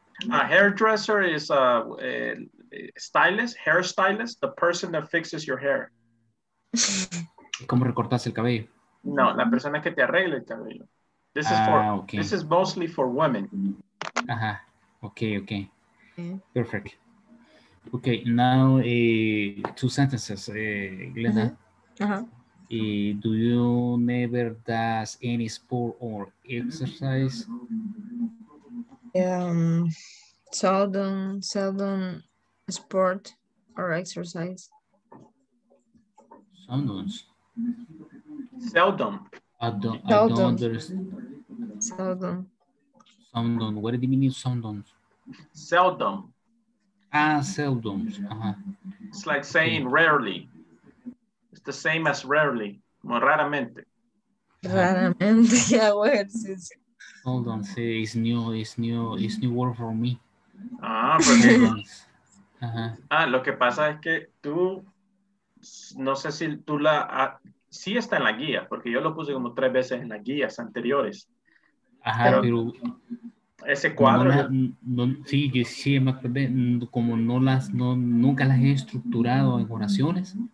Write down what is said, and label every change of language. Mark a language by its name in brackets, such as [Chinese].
[English] A hairdresser is a stylist, hairstylist, the person that fixes your hair. [Spanish] ¿Cómo recortas el cabello? No, la persona que te arregla el cabello. [English] This is this is mostly for women. Ajá, okay. Perfect. Okay, now two sentences, Glenda. Do you never does any sport or exercise? Seldom sport or exercise. Seldom. I don't understand. Seldom. What do you mean seldom? Seldom. Ah, seldom. Uh-huh. It's like saying rarely. It's the same as rarely. Well, raramente. Raramente, yeah, words. Hold on, see, it's new word for me. [Spanish] Ah, porque... Ah, lo que pasa es que tú, no sé si tú la... sí está en la guía, porque yo lo puse como tres veces en las guías anteriores. Ajá, pero ese cuadro sí me acordé, como nunca las he estructurado en oraciones.